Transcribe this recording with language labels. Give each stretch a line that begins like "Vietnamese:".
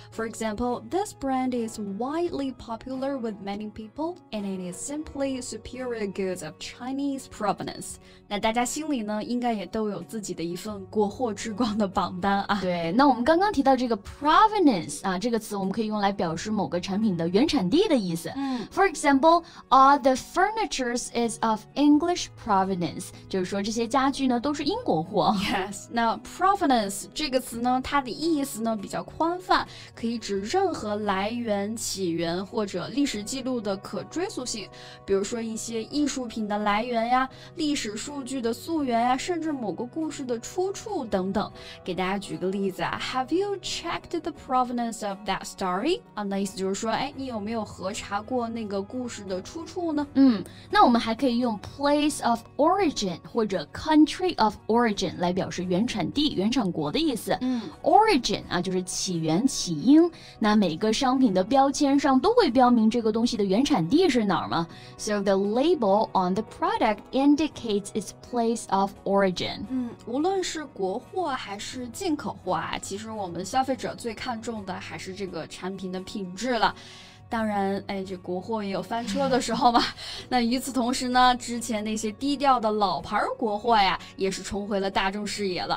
English: For example, this brand is widely popular with many people, and it is simply superior. The goods of Chinese provenance.
Chinese: 那大家心里呢，应该也都有自己的一份国货之光的榜单啊。对，那我们刚刚提到这个 provenance 啊，这个词我们可以用来表示某个产品的原产地的意思。
English: For example, all the furniture is of English provenance.
Chinese: 就是说这些家具呢都是英国货。
English: Yes. Now
Chinese: provenance 这个词呢，它的意思呢比较宽泛，可以指任何来源、起源或者历史记录的可追溯性，比如说一些艺术品的来源呀，历史数据的溯源呀，甚至某个故事的出处等等。给大家举个例子啊
English: ，Have you checked the provenance of that story？
Chinese: 啊，那意思就是说，哎，你有没有核查过那个故事的出处呢？嗯，那我们还可以用 place of origin 或者 country of origin 来表示原产地、原产国的意思。嗯，origin 啊，就是起源、起因。那每个商品的标签上都会标明这个东西的原产地是哪儿吗？
English: So the label on the product indicates its place of origin.
Chinese: 嗯，无论是国货还是进口货啊，其实我们消费者最看重的还是这个产品的品质了。当然，哎，这国货也有翻车的时候嘛。那与此同时呢，之前那些低调的老牌国货呀，也是重回了大众视野了。